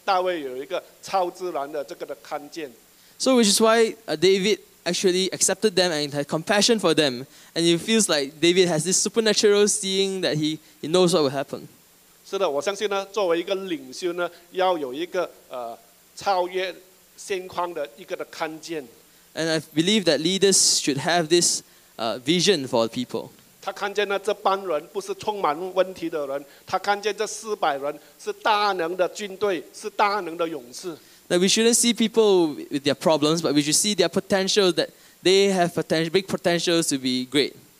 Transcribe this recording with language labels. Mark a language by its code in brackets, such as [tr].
[zh] 所以呢，就算这400人很多问题，大卫呢也去接纳他们，去爱他们，去帮助他们。我相信呢，大卫有一个超自然的这个的看见。 [en] So which is why David actually accepted them and had compassion for them. And it feels like David has this supernatural seeing that he knows what will happen. [zh] 是的，我相信呢，作为一个领袖呢，要有一个超越现况的一个的看见。 [en] And I believe that leaders should have this vision for people. [zh] 他看见呢，这班人不是充满问题的人，他看见这400人是大能的军队，是大能的勇士。 [en] That we shouldn't see people with their problems, but we should see their potential, that they have potential, big potentials to be great.